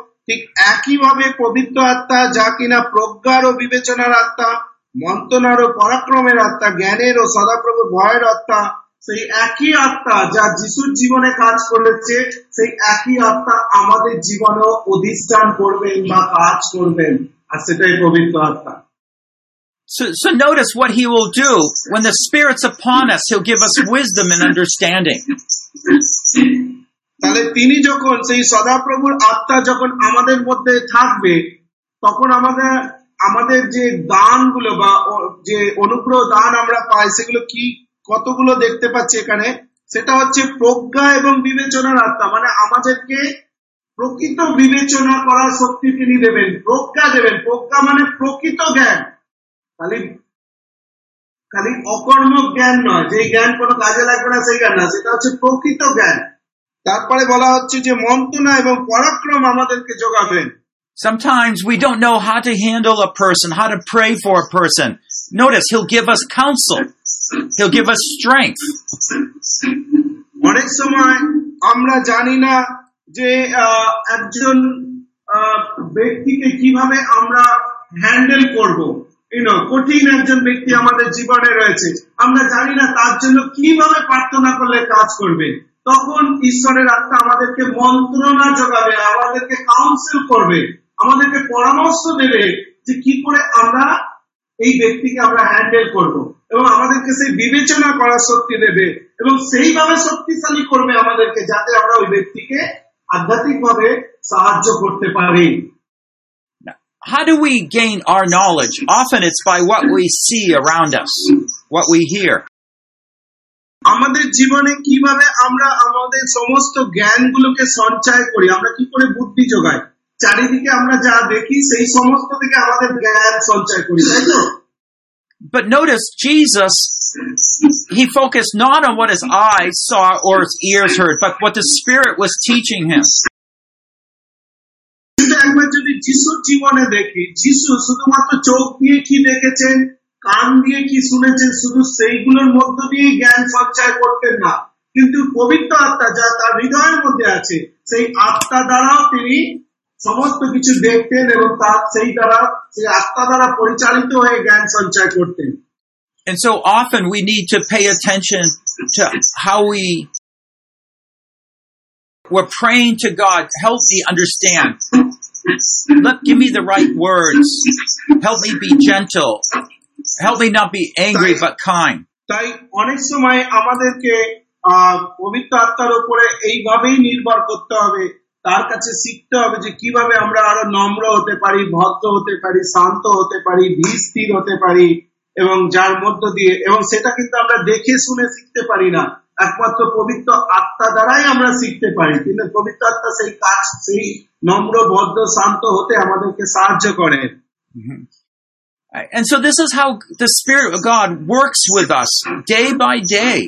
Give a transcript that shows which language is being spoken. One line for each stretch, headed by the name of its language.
Bangla: ঠিক একইভাবে পবিত্র আত্মা যা কিনা প্রজ্ঞার ও বিবেচনার আত্মা, মন্ত্রণার ও পরাক্রমের আত্মা, জ্ঞানের ও সদাপ্রভু ভয়ের আত্মা, সেই একই আত্মা যা যিশুর জীবনে কাজ করেছে, সেই একই আত্মা আমাদের জীবনেও অধিষ্ঠান করবেন বা কাজ করবেন, আর সেটাই পবিত্র আত্মা।
English: So notice what he will do when the Spirit's upon us. He'll give us wisdom and understanding.
Bangla: তাহলে তিনি যখন সেই সদাপ্রভুর আত্মা যখন আমাদের মধ্যে থাকবে, তখন আমাদের আমাদের যে দানগুলো বা যে অনুগ্রহ দান আমরা পাই সেগুলো কি কতগুলো দেখতে পাচ্ছি এখানে, সেটা হচ্ছে প্রজ্ঞা এবং বিবেচনার আত্মা, মানে আমাদেরকে প্রকৃত বিবেচনা করার শক্তি তিনি দেবেন, প্রজ্ঞা দেবেন। প্রজ্ঞা মানে প্রকৃত জ্ঞান, খালি খালি অকর্ম জ্ঞান নয়, যে জ্ঞান কোনো কাজে লাগবে না সেই জ্ঞান না, সেটা হচ্ছে প্রকৃত জ্ঞান। তারপরে বলা হচ্ছে যে মন্ত্রণা এবং পরাক্রম আমাদেরকে যোগাবেন।
English: Sometimes we don't know how to handle a person, how to pray for a person. Notice, he'll give us counsel. He'll give us strength.
Bangla: অনেক সময় আমরা জানি না যে একজন ব্যক্তিকে কিভাবে আমরা হ্যান্ডেল করব। কঠিন একজন ব্যক্তি আমাদের জীবনে রয়েছে, আমরা জানি না তার জন্য কিভাবে প্রার্থনা করলে কাজ করবে, তখন ঈশ্বরের আত্মা আমাদেরকে মন্ত্রণা যোগাবে, আমাদেরকে কাউন্সিল করবে, আমাদেরকে পরামর্শ দেবে যে কি করে আমরা এই ব্যক্তিকে আমরা হ্যান্ডেল করব, এবং আমাদেরকে সেই বিবেচনা করার শক্তি দেবে এবং সেইভাবে শক্তিশালী করবে আমাদেরকে, যাতে আমরা ওই ব্যক্তিকে আধ্যাত্মিকভাবে সাহায্য করতে পারি।
English: How do we gain our knowledge? Often it's by what we see around us, what we hear.
Bangla: আমাদের জীবনে কিভাবে আমরা আমাদের সমস্ত জ্ঞানগুলোকে সঞ্চয় করি, আমরা কি করে বুদ্ধি জোগাই, চারিদিকে আমরা যা দেখি সেই সমস্ত থেকে আমাদের জ্ঞান সঞ্চয় করি, তাই তো?
English: But notice Jesus, he focused not on what his eyes saw or his ears heard, but what the Spirit was teaching him.
Bangla: কিন্তু একবার যদি যিশুর জীবনে দেখি, যিশু শুধুমাত্র চোখ দিয়ে কি দেখেছেন, কান দিয়ে কি শুনেছেন, শুধু সেইগুলোর মধ্য দিয়ে জ্ঞান সঞ্চয় করতেন না, কিন্তু পবিত্র আত্মা যা তার হৃদয়ের মধ্যে আছে সেই আত্মা দ্বারা তিনি সমস্ত কিছু দেখতেন এবং তার সেই দ্বারা সেই আত্মা দ্বারা পরিচালিত হয়ে জ্ঞান সঞ্চয় করতেন।
English: And so often we need to pay attention to how we're praying to God, help me understand. Give me the right words. Help me be gentle. Help me not be angry but kind.
Bangla: তাই অনেক সময় আমাদেরকে পবিত্র আত্মার উপরে এইভাবেই নির্ভর করতে হবে, তার কাছে শিখতে হবে যে কিভাবে আমরা আরো নম্র হতে পারি, ভদ্র হতে পারি, শান্ত হতে পারি, ধীর হতে পারি, এবং যার মধ্য দিয়ে, এবং সেটা কিন্তু আমরা দেখে শুনে শিখতে পারি না, একমাত্র পবিত্র আত্মা দ্বারাই আমরা শিখতে পারি। কিন্তু পবিত্র আত্মা সেই কাজ, সেই নম্র বদ্ধ শান্ত হতে আমাদেরকে সাহায্য করে।
English: And so this is how the Spirit of God works with us day by day.